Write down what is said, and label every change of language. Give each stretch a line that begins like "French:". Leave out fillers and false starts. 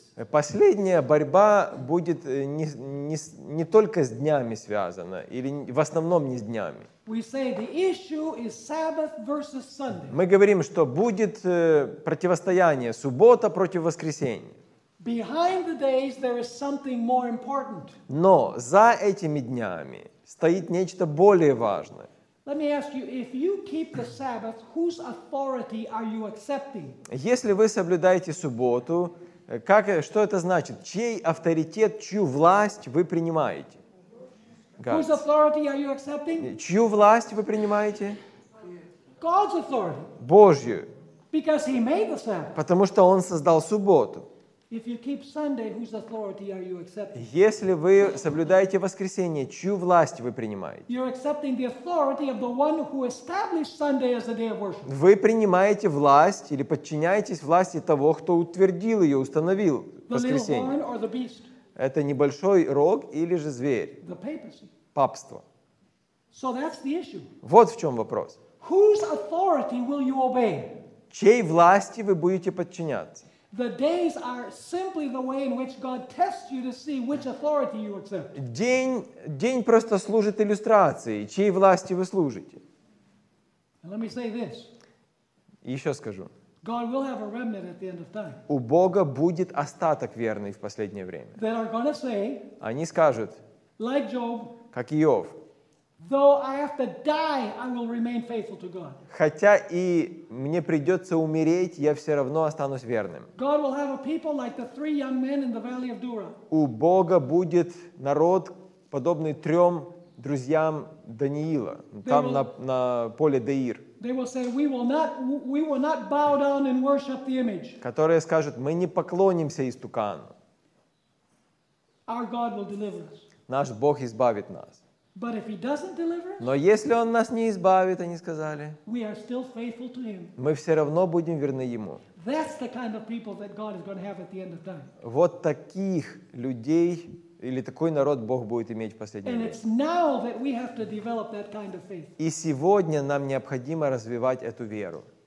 Russian: Последняя борьба будет не только с днями связана, или в основном не с днями.
English: We say the issue is Sabbath versus Sunday.
Russian: Мы говорим, что будет противостояние суббота против воскресенья.
English: Behind the days there is something more important.
Russian: Но за этими днями стоит нечто более важное.
English: Let me ask you, if you keep the Sabbath, whose authority are you accepting?
Russian: Если вы соблюдаете субботу, как, что это значит? Чей авторитет, чью власть вы принимаете?
English: God. Whose authority are you accepting?
Russian: Чью власть вы принимаете?
English: God's authority.
Russian: Божью.
English: Because He made the Sabbath.
Russian: Потому что Он создал субботу.
English: If you keep Sunday, whose authority are you accepting?
Russian: Если вы соблюдаете воскресенье, чью власть вы принимаете?
English: You're accepting the authority of the one who established Sunday as a day of worship.
Russian: Вы принимаете власть или подчиняетесь власти того, кто утвердил ее, установил воскресенье.
English: The little horn or the beast.
Russian: Это небольшой рог или же зверь?
English: The papacy.
Russian: Папство.
English: So that's the issue.
Russian: Вот в чем вопрос.
English: Whose authority will you obey?
Russian: Чьей власти вы будете подчиняться?
English: The days are simply the way in which God tests you to see which authority you accept.
Russian: День просто служит иллюстрацией, чьей власти вы служите.
English: Let me say this.
Russian: Еще скажу.
English: God will have a remnant at the end of time.
Russian: У Бога будет остаток верный в последнее время.
English: They are going to say.
Russian: Они скажут.
English: Like Job.
Russian: Как Иов.
English: Though I have to die, I will remain faithful to God.
Russian: Хотя и мне придется умереть, я все равно останусь верным.
English: God will have a people like the three young men in the valley of Dura.
Russian: У Бога будет народ, подобный трем друзьям Даниила, там на поле Деир.
English: They will say, we will not bow down and worship the image.
Russian: Которые скажут, мы не поклонимся истукану.
English: Our God will deliver us.
Russian: Наш Бог избавит нас.
English: But if he doesn't deliver us,
Russian: но если он нас не избавит, они сказали,
English: we are still faithful to him.
Russian: Мы все равно будем верны ему.
English: That's the kind of people that God is going to have at the end of time.
Russian: Вот таких людей или такой народ Бог будет иметь в последний день. И сегодня нам необходимо развивать эту веру.